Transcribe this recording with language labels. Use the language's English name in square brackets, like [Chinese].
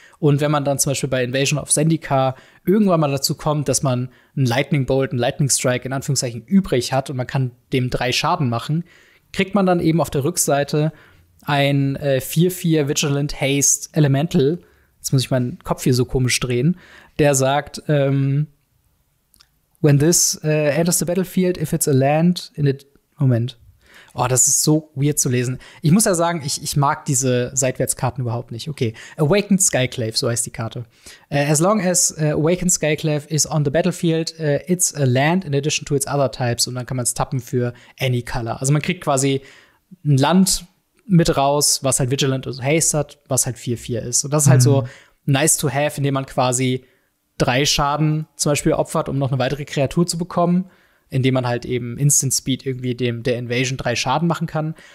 [German] Und wenn man dann zum Beispiel bei Invasion of Zendikar irgendwann mal dazu kommt, dass man einen Lightning Bolt, einen Lightning Strike in Anführungszeichen übrig hat und man kann dem 3 Schaden machen, kriegt man dann eben auf der Rückseite ein 4-4 Vigilant Haste Elemental, jetzt muss ich meinen Kopf hier so komisch drehen, der sagt, [English] when this enters the battlefield, if it's a land in it, [German] Moment. Oh, das ist so weird zu lesen. Ich muss ja sagen, ich mag diese Seitwärtskarten überhaupt nicht. Okay, Awakened Skyclave, so heißt die Karte. [English] As long as Awakened Skyclave is on the battlefield, it's a land in addition to its other types. [German] Und dann kann man es tappen für any color. Also man kriegt quasi ein Land mit raus, was halt Vigilant und Haste hat, was halt 4-4 ist. Und das ist halt so [English] nice to have, [German] indem man quasi 3 Schaden zum Beispiel opfert, um noch eine weitere Kreatur zu bekommen, indem man halt eben Instant Speed irgendwie der Invasion 3 Schaden machen kann.